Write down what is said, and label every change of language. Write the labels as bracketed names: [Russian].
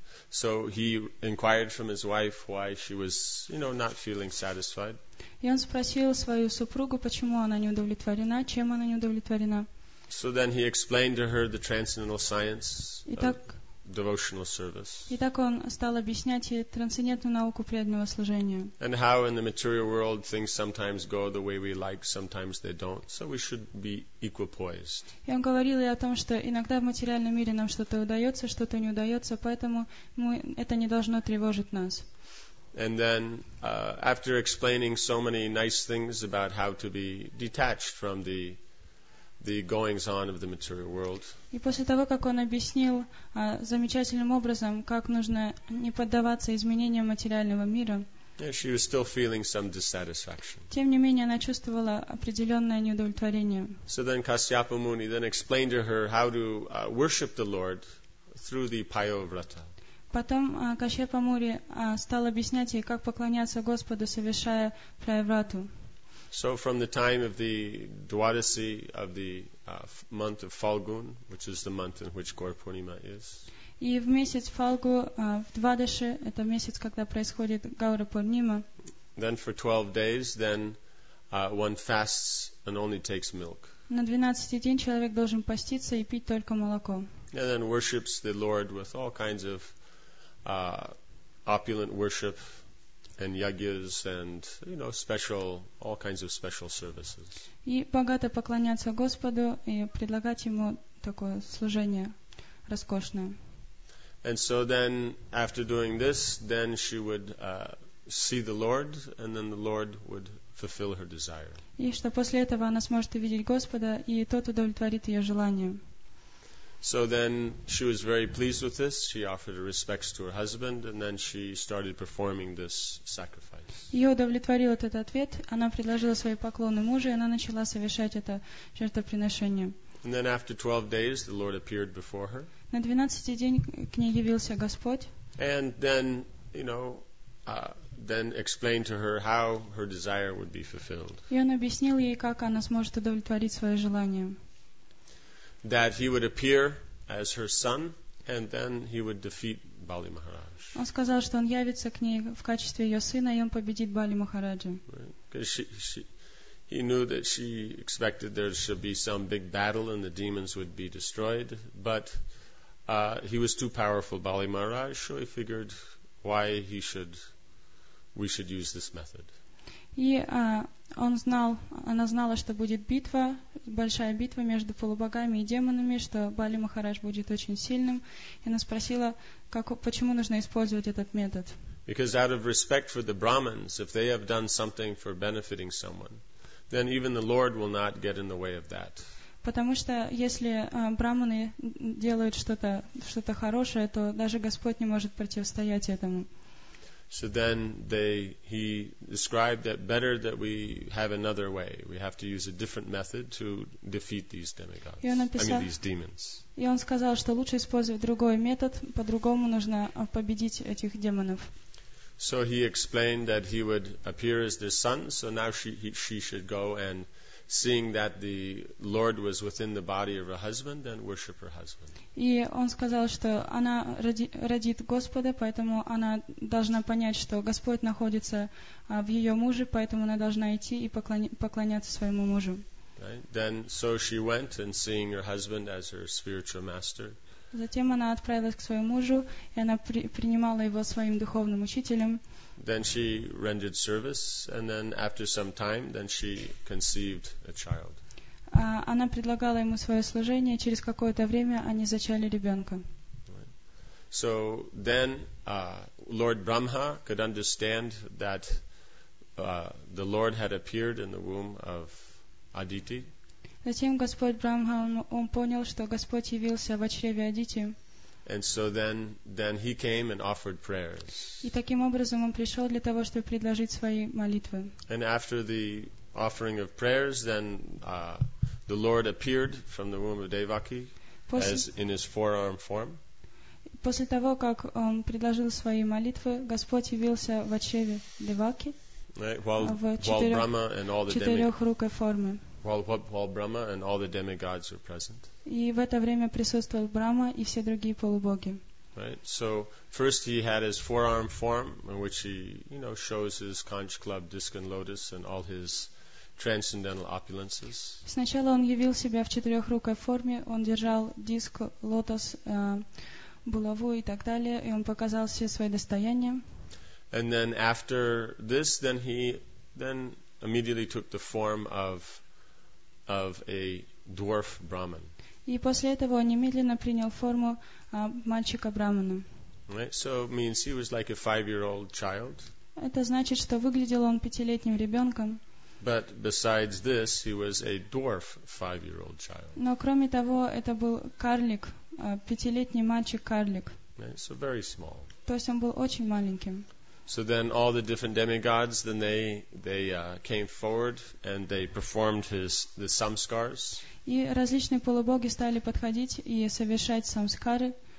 [English] So he inquired from his wife why she was, you know, not feeling satisfied. [Russian] И он спросил свою супругу, почему она не удовлетворена, чем она не удовлетворена. [English] So then he explained to her the transcendental science. [Russian] Итак, [English] devotional service. [Russian] Итак, он стал объяснять ей трансцендентную науку преданного служения. [English] And how in the material world things sometimes go the way we like, sometimes they don't. So we should be equipoised. [Russian] И он говорил ей о том, что иногда в материальном мире нам что-то удается, что-то не удается, поэтому это не должно тревожить нас. [English] And then, after explaining so many nice things about how to be detached from the goings on of the material world. [Russian] И после того, как он объяснил замечательным образом, как нужно не поддаваться изменениям материального мира. [English] Yeah, she was still feeling some dissatisfaction. [Russian] Тем не менее, она чувствовала определенное неудовлетворение. [English] So then Kasyapa Muni then explained to her how to worship the Lord through the Payovrata. [Russian] Потом Кашьяпа Муни стал объяснять ей, как поклоняться Господу, совершая Прайаврату. [English] So from the time of the Dwadasi of the month of Falgun, which is the month in which Gaur Purnima is. [Russian] И в месяц Фалгу, в Двадаши, это месяц, когда происходит Гаура Пурнима. [English] Then for 12 days, then one fasts and only takes milk. [Russian] На 12-й день человек должен поститься и пить только молоко. [English] And then worships the Lord with all kinds of opulent worship. And yagyas and, you know, special, all kinds of special services. [Russian] И богато поклоняться Господу и предлагать ему такое служение роскошное. [English] And so then, after doing this, then she would see the Lord, and then the Lord would fulfill her desire. [Russian] И что после этого она сможет увидеть Господа, и тот удовлетворит ее желание. [English] So then she was very pleased with this. She offered her respects to her husband and then she started performing this sacrifice. [Russian] Ее удовлетворил этот ответ. Она предложила свои поклоны мужу, и она начала совершать это жертвоприношение. [English] And then after 12 days, the Lord appeared before her. [Russian] На 12-й день к ней явился Господь. [English] And then, you know, then explained to her how her desire would be fulfilled. [Russian] И он объяснил ей, как она сможет удовлетворить свое желание. [English] That he would appear as her son, and then he would defeat Bali Maharaj. [Russian] Он сказал, что он явится к ней в качестве ее сына, и он победит Бали Махараджа. [English] Because he knew that she expected there should be some big battle and the demons would be destroyed, but he was too powerful, Bali Maharaj, so he figured why we should use this method. [Russian] И она знала, что будет битва, большая битва между полубогами и демонами, что Бали Махарадж будет очень сильным. И она спросила, почему нужно использовать этот метод. [English] Because out of respect for the Brahmins, if they have done something for benefiting someone, then even the Lord will not get in the way of that. [Russian] Потому что если брахманы делают что-то хорошее, то даже Господь не может противостоять этому. [English] So then he described that better that we have another way. We have to use a different method to defeat these demigods. These demons. [Russian] И он сказал, что лучше использовать другой метод, по-другому нужно победить этих демонов. [English] So he explained that he would appear as their son, so now she should go and seeing that the Lord was within the body of her husband, then worship her husband. [Russian] И он сказал, что она родит Господа, поэтому она должна понять, что Господь находится в ее муже, поэтому она должна идти и поклоняться своему мужу. [English] Right. Then, so she went and seeing her husband as her spiritual master. [Russian] Затем она отправилась к своему мужу, и она принимала его своим духовным учителем. [English] Then she rendered service, and then after some time, then she conceived a child. [Russian] Она предлагала ему свое служение, и через какое-то время они зачали ребенка. [English] So then Lord Brahma could understand that the Lord had appeared in the womb of Aditi. [Russian] Затем Господь Брахма, он понял, что Господь явился в чреве Адити. [English] And so then he came and offered prayers. [Russian] И таким образом он пришел для того, чтобы предложить свои молитвы. [English] And after the offering of prayers, then The Lord appeared from the womb of Devaki as in his forearm form. [Russian] После того, как он предложил свои молитвы, Господь явился в чреве Деваки [English] while Brahma and all the demigods were present. [Russian] И в это время присутствовал Брахма и все другие полубоги. [English] Right. So first he had his forearm form, in which he, you know, shows his conch club, disc and lotus, and all his transcendental opulences. [Russian] Сначала он явил себя в четырехрукой форме. Он держал диск, лотос, булаву и так далее, и он показал все свои достояния. [English] And then after this, then he immediately took the form of a dwarf Brahman. [Russian] И после этого он немедленно принял форму мальчика брахмана. [English] Right, so it means he was like a 5-year-old child. [Russian] Это значит, что выглядел он пятилетним ребенком. [English] But besides this, he was a dwarf 5-year-old child. [Russian] Но кроме того, это был карлик, пятилетний мальчик карлик. [English] Right, so very small. [Russian] То есть он был очень маленьким. [English] So then all the different demigods, then they came forward and they performed the samskars. [Russian] И различные полубоги стали подходить и совершать самскары.